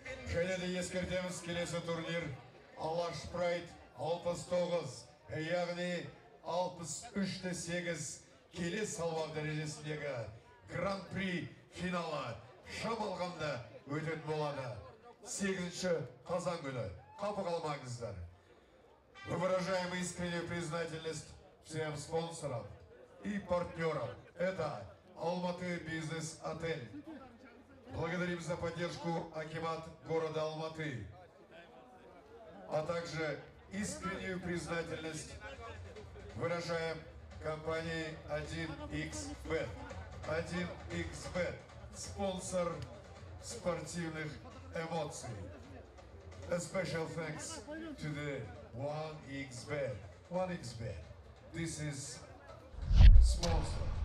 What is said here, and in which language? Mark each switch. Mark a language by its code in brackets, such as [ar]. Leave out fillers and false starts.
[kk] Және де ескертеміз, келесі турнир Алаш Прайд 69, яғни 63-8 келес салмақ дәрежесіндегі гран-при финалы шамалғанда өтетін болады. 8-ші қазан күні. Қапы қалмаңыздар. [ru] Выражаем искреннюю признательность всем спонсорам и партнерам. Это Алматы Бизнес Отель. Благодарим за поддержку Акимат города Алматы. А также искреннюю признательность выражаем компании 1xBet. 1xBet – спонсор спортивных эмоций. [en] A special thanks to the 1xBet. 1xBet. This is sponsor.